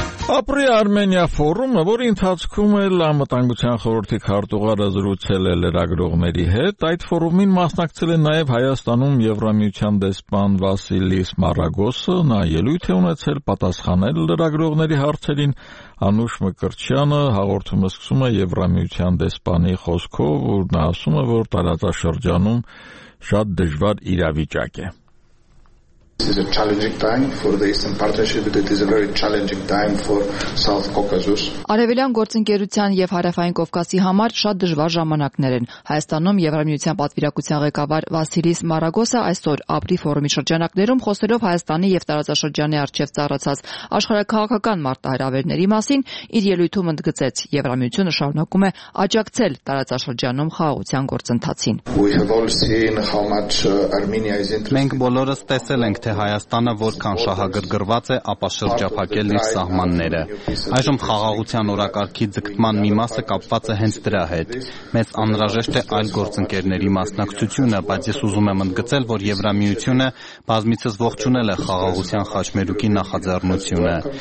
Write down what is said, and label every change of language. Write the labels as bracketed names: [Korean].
[Armenian] Ապրի Արմենիա ֆորումը, որի ընթացքում է անվտանգության խորհրդի քարտուղարը զրուցել է լրագրողների հետ, այդ ֆորումին մասնակցել է նաև Հայաստանում Եվրամիության դեսպան Վասիլիս Մարագոսը, նա ելույթ է ունեցել պատասխանել լրագրողների հարցերին։ Անուշ Մկրտչյանը հաղորդումը սկսում է Եվրամիության դեսպանի խոսքով, որ նա ասում է, որ տարածաշրջանում շատ դժվար իրավիճակ է։ [English] This is a challenging time for the Eastern Partnership, but it is a very challenging time for South Caucasus. [Armenian] Արևելյան գործընկերության եւ Հարավային Կովկասի համար շատ դժվար ժամանակներ են։ Հայաստանում Եվրամիության պատվիրակության ղեկավար Վասիլիս Մարագոսը այսօր ապրի ֆորումի շրջանակներում խոսելով Հայաստանի եւ տարածաշրջանի առջև ծառացած աշխարհակահաղաղական մարտահրավերների մասին իր ելույթում ընդգծեց. Եվրամիությունը շարունակում է աջակցել տարածաշրջանում խաղաղության գործընթացին։ [English] We have all seen how much Armenia is interested. [Armenian] Թե Հայաստանը որքան շահագրգռված է ապաշրջափակել իր սահմանները։ Այժմ խաղաղության օրակարգի ձգտման մի մասը կապված է հենց դրա հետ։ Մեզ անհրաժեշտ է այլ գործընկերների մասնակցությունը, բայց ես ուզում եմ ընդգծել, որ Եվրամիությունը բազմիցս ողջունել է խաղաղության խաչմերուկի նախաձեռնությունը։